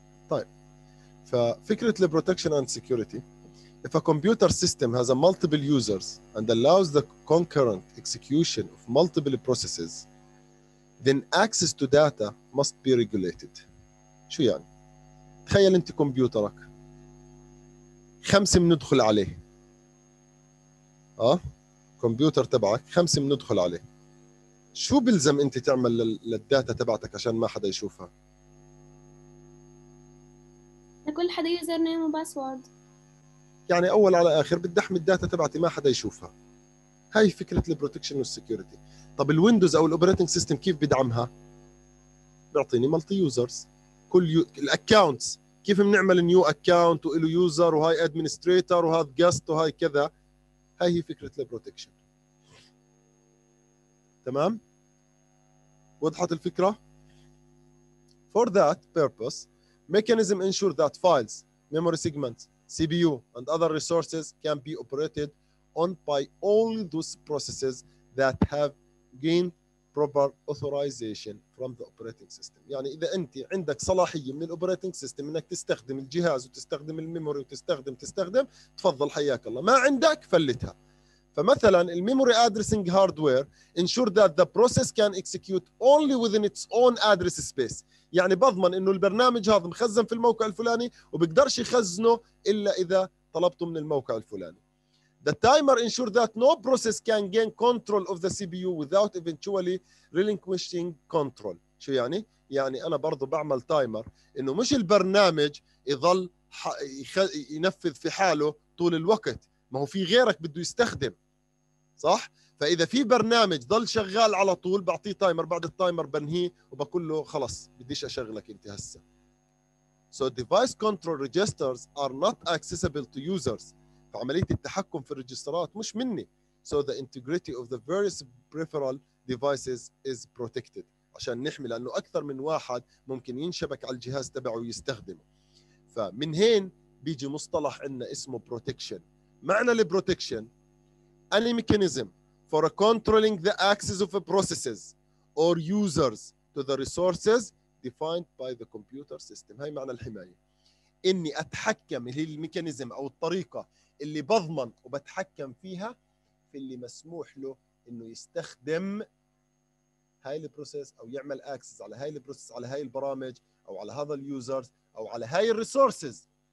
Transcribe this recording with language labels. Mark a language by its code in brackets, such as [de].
[ar] طيب ففكرة الـ Protection and Security. [en] If a computer system has a multiple users and allows the concurrent execution of multiple processes, then access to data must be regulated. [ar] شو يعني؟ تخيل انت كمبيوترك خمسة مندخل عليه. كمبيوتر تبعك خمسة مندخل عليه. شو بلزم انت تعمل للداتا تبعتك عشان ما حدا يشوفها؟ كل حدا يوزر نيم وباسورد، يعني اول على اخر بدي احمي الداتا تبعتي ما حدا يشوفها. هاي فكره البروتكشن والسكيورتي. طب الويندوز او الاوبريتنج سيستم كيف بدعمها؟ بيعطيني مالتي يوزرز. كل الاكونتس كيف بنعمل نيو اكونت وله يوزر وهاي ادمنستريتور وهذا جاست وهاي كذا. هاي هي فكره البروتكشن. تمام. وضحت الفكرة؟ [en] For that purpose, mechanism ensure that files, memory segments, CPU, and other resources can be operated on by only those processes that have gained proper authorization from the operating system. [ar] يعني إذا أنت عندك صلاحية من الأوبريتنج سيستم إنك تستخدم الجهاز وتستخدم الميموري وتستخدم تستخدم تفضل حياك الله، ما عندك فلتها. فمثلا [en] الميموري addressing hardware ensure that the process can execute only within its own address space, [ar] يعني بضمن انه البرنامج هذا مخزن في الموقع الفلاني وبقدرش يخزنه الا اذا طلبته من الموقع الفلاني. [en] The timer ensure that no process can gain control of the CPU without eventually relinquishing control. [ar] شو يعني؟ يعني أنا برضو بعمل تايمر إنه مش البرنامج يظل ينفذ في حاله طول الوقت، ما هو في غيرك بده يستخدم، صح؟ فإذا في برنامج ظل شغال على طول بعطيه تايمر، بعد التايمر بنهيه وبقول له خلص بديش أشغلك أنت هسه. [en] So device control registers are not accessible to users. [ar] فعملية التحكم في الرجسترات مش مني. [en] So the integrity of the various peripheral devices is protected. [ar] عشان نحمي، لأنه أكثر من واحد ممكن ينشبك على الجهاز تبعه ويستخدمه. فمن هين بيجي مصطلح عنا اسمه protection. معنى البروتكشن [en] any mechanism for controlling the access of processes or users to the resources defined by the computer system. [ar] هاي معنى الحماية. إني أتحكم الميكانيزم أو الطريقة اللي بضمن وبتحكم فيها في اللي مسموح له انه يستخدم هاي البروسيس او يعمل اكسس على هاي البروسيس على هاي البرامج او على هذا اليوزرز او على هاي الريسورسز.